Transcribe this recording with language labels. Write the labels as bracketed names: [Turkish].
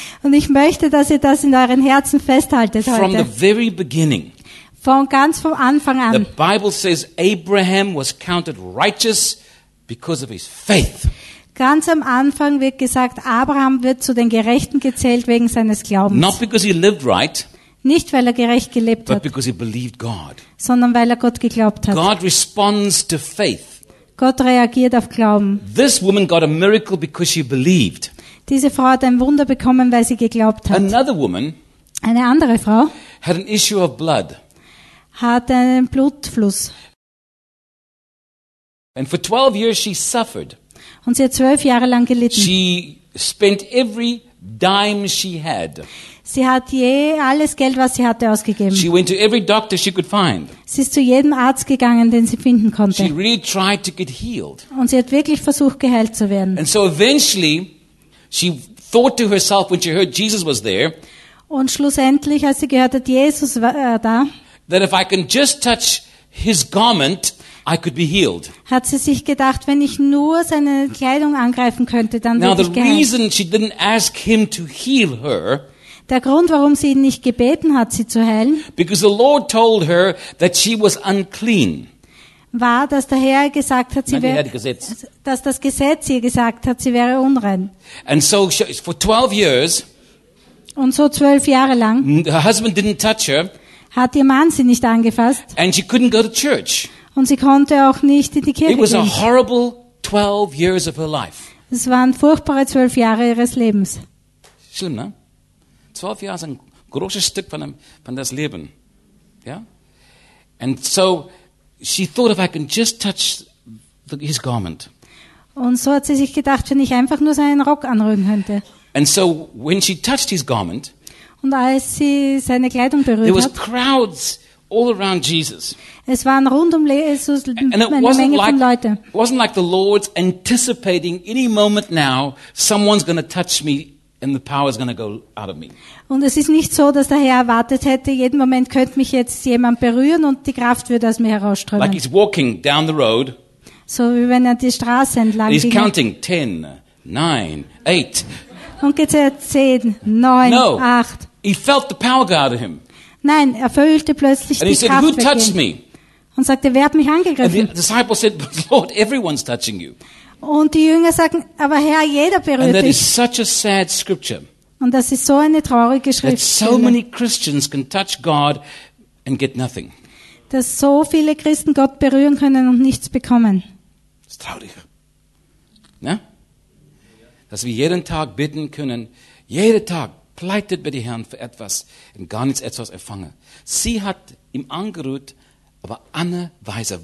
[German] Und ich möchte, dass ihr das in euren Herzen festhaltet heute. [English] From the very beginning. [German] Von ganz vom Anfang an. [English] The Bible says Abraham was counted righteous because of his faith. [German] Ganz am Anfang wird gesagt, Abraham wird zu den Gerechten gezählt wegen seines Glaubens. [English] Not because he lived right. [German] Nicht weil er gerecht gelebt hat. [English] But because he believed God. [German] Sondern weil er Gott geglaubt hat. [English] God responds to faith. [German] Gott reagiert auf Glauben. [English] This woman got a miracle because she believed. [German] Diese Frau hat ein Wunder bekommen, weil sie geglaubt hat. [English] Another woman, [German] eine andere Frau, [English] had an issue of blood. [German] Hat einen Blutfluss. [English] And for 12 years she suffered. [German] Und sie hat 12 Jahre lang gelitten. [English] She spent every dime she had. [German] Sie hat je alles Geld, was sie hatte, ausgegeben. [English] She went to every doctor she could find. [German] Sie ist zu jedem Arzt gegangen, den sie finden konnte. [English] She really tried to get healed. [German] Und sie hat wirklich versucht, geheilt zu werden. [English] And so eventually she thought to herself when she heard Jesus was there. [German] Und schlussendlich, als sie gehört hat, Jesus war da. [English] That if I can just touch his garment, I could be healed. [German] Hat sie sich gedacht, wenn ich nur seine Kleidung angreifen könnte, dann würde ich geheilt. [English] Now the reason she didn't ask him to heal her. [German] Der Grund, warum sie ihn nicht gebeten hat, sie zu heilen. [English] Because the Lord told her that she was unclean. [German] War, dass der Herr gesagt hat, sie wäre, dass das Gesetz ihr gesagt hat, sie wäre unrein. [English] And so for 12 years. [German] Und so 12 Jahre lang. [English] Her husband didn't touch her. [German] Hat ihr Mann sie nicht angefasst. [English] And she couldn't go to church. [German] Und sie konnte auch nicht in die Kirche gehen. [English] It was a horrible 12 years of her life. [German] Es waren furchtbare 12 Jahre ihres Lebens. Schlimm, ne? 12 Jahre ist ein großes Stück von das Leben. [English] Ja? And so she thought, if I can just touch his garment. [German] Und so hat sie sich gedacht, wenn ich einfach nur seinen Rock anrühren könnte. [English] And so when she touched his garment, [German] und als sie seine Kleidung berührt hat, [English] there was crowds all around Jesus. [German] Es waren rund um Jesus eine Menge von Leute. [English] It wasn't like the Lord's anticipating any moment now someone's going to touch me and the power is going to go out of me. [German] Und es ist nicht so, dass der Herr erwartet hätte, jeden Moment könnte mich jetzt jemand berühren und die Kraft würde aus mir herausströmen. [English] Like he's walking down the road. [German] So wie wenn er die Straße entlang ging. [English] He's counting 10, 9, 8. [German] Und gezählt 10, 9, 8. [English] He felt the power go out of him. [German] Nein, er fühlte plötzlich [English] and [German] die Kraft. [English] And he said, "Who touched me?" [German] Und sagte, wer hat mich angegriffen? [English] And the disciples said, "But Lord, everyone's touching you." [German] Und die Jünger sagen, aber Herr, jeder berührt dich. [English] And that is such a sad scripture. [German] Und das ist so eine traurige Schrift. [English] That so many Christians can touch God and get nothing. [German] Dass so viele Christen Gott berühren können und nichts bekommen. Das ist traurig. Ne? Dass wir jeden Tag bitten können, jeden Tag. Pleitet bei dem Herrn für etwas und gar nichts etwas erfangen. Sie hat ihm angerührt, aber eine Weise.